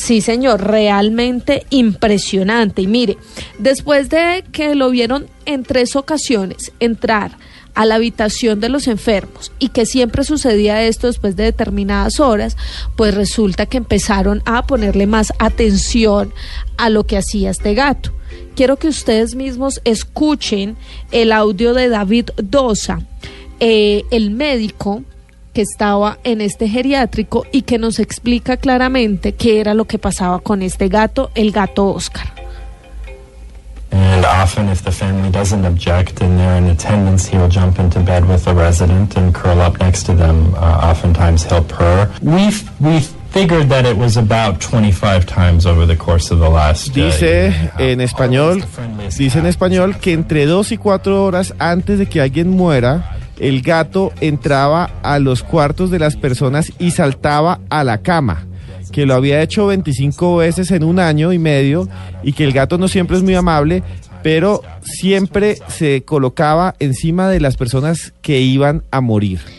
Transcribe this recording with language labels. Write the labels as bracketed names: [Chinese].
[Spanish] Sí, señor, realmente impresionante. Y mire, después de que lo vieron en tres ocasiones entrar a la habitación de los enfermos y que siempre sucedía esto después de determinadas horas, pues resulta que empezaron a ponerle más atención a lo que hacía este gato. Quiero que ustedes mismos escuchen el audio de David Dosa, el médico que estaba en este geriátrico y que nos explica claramente qué era lo que pasaba con este gato, el gato Oscar. [English] And often if the family doesn't object and they're in attendance, he'll jump into bed with a resident and curl up next to them. Oftentimes he'll purr. We figured that it was about 25 times over the course of the last day. [Spanish] Dice en español, que entre 2 y 4 horas antes de que alguien muera, el gato entraba a los cuartos de las personas y saltaba a la cama, que lo había hecho 25 veces en un año y medio, y que el gato no siempre es muy amable, pero siempre se colocaba encima de las personas que iban a morir.